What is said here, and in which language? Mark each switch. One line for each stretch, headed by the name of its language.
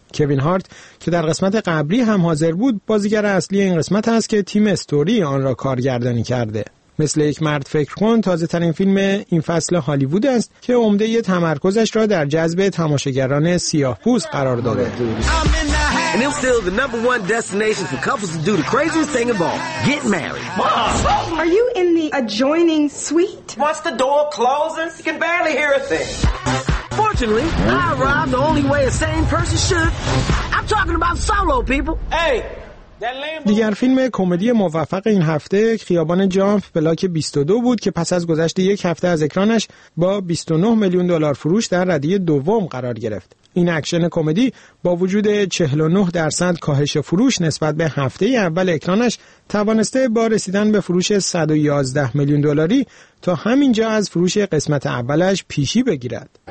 Persian: کوین هارت که در قسمت قبلی هم حاضر بود بازیگر اصلی این قسمت است که تیم استوری آن را کارگردانی کرده. مثل یک مرد فکر کن تازه ترین فیلم این فصل هالیوود است که عمده ی تمرکزش را در جذب تماشاگران سیاه پوست قرار داده.
English: And it's still the number one destination for couples to do the craziest thing of all. Get married. Mom! Are you in the adjoining suite? Once the door closes, you can barely hear a thing. Fortunately, I arrived the only way a sane person should. I'm talking about solo, people. Hey!
Persian: دیگر فیلم کمدی موفق این هفته خیابان جامپ بلاک 22 بود که پس از گذشت یک هفته از اکرانش با 29 میلیون دلار فروش در ردیه دوم قرار گرفت. این اکشن کمدی با وجود 49% کاهش فروش نسبت به هفته اول اکرانش توانسته با رسیدن به فروش 111 میلیون دلاری تا همینجا از فروش قسمت اولش پیشی بگیرد.